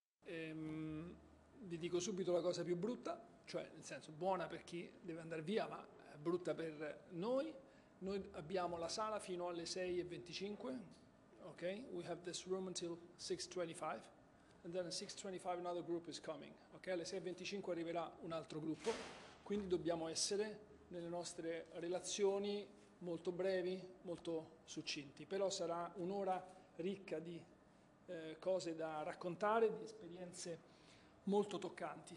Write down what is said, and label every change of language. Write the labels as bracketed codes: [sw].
[it] Vi dico subito la cosa più brutta, cioè nel senso buona per chi deve andare via, ma brutta per noi. Noi abbiamo la sala fino alle 6:25, ok? [en] We have this room until 6:25, and then at 6:25 another group is coming, ok? [it] Alle 6:25 arriverà un altro gruppo, quindi dobbiamo essere nelle nostre relazioni molto brevi, molto succinti, però sarà un'ora ricca di cose da raccontare, di esperienze molto toccanti.